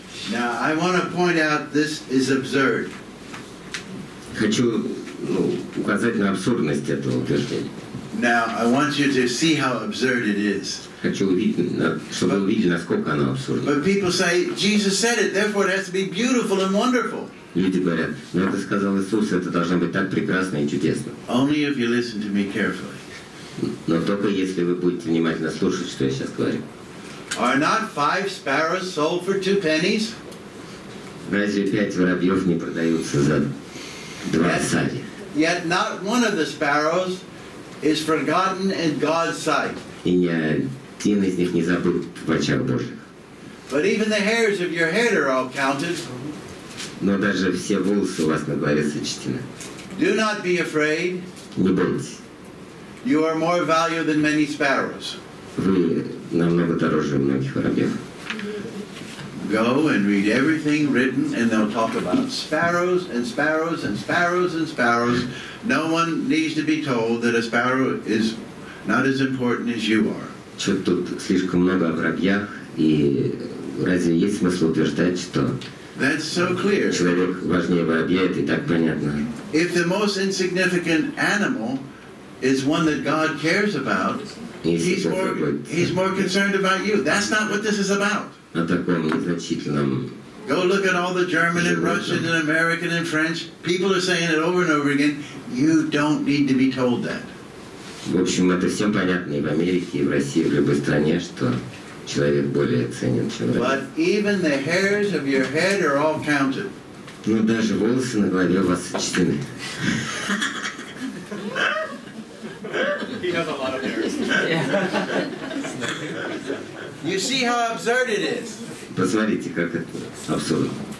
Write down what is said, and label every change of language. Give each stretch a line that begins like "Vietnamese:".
English: Now I want to point out this is absurd.
Russian: Хочу указать на абсурдность этого утверждения.
English: Now I want you to see how absurd it is.
Russian: Хочу увидеть, чтобы увидеть, насколько оно абсурдно.
English: But people say Jesus said it, therefore it has to be beautiful and wonderful.
Russian: Люди говорят, но это сказал Иисус, это должно быть так прекрасно и чудесно.
English: Only if you listen to me carefully.
Russian: Но только если вы будете внимательно слушать, что я сейчас говорю.
English: Are not five sparrows sold for two pennies?
Russian: Разве пять воробьев не продаются за два сади?
English: Yet not one of the sparrows is forgotten in God's sight.
Russian: И ни один из них не забыт в очах Божьих.
English: But even the hairs of your head are all counted.
Russian: Но даже все волосы у вас на голове сочтены.
English: Do not be afraid.
Russian: Не бойтесь.
English: You are more valuable than many sparrows.
Russian: Вы намного дороже многих воробьев.
English: Go and read everything written, and they'll talk about sparrows and sparrows and sparrows and sparrows. No one needs to be told that a sparrow is not as important as you are.
Russian: Что тут слишком много о воробьях, и разве есть смысл утверждать, что
English: That's so clear.
Russian: Человек важнее воробья, это и так понятно.
English: If the most insignificant animal is one that God cares about, he's more concerned about you. That's not what this is about.
Russian: На таком незначительном.
English: Go look at all the German and Russian and American and French. People are saying it over and over again. You don't need to be told that.
Russian: В общем, это всем понятно и в Америке, и в России, в любой стране, что человек более ценен, чем враг.
English: But even the hairs of your head are all counted.
Russian: Но даже волосы на голове у вас сочтены.
English: He has a lot of hairs. You see how absurd it is.
Russian: Посмотрите, как это абсурдно.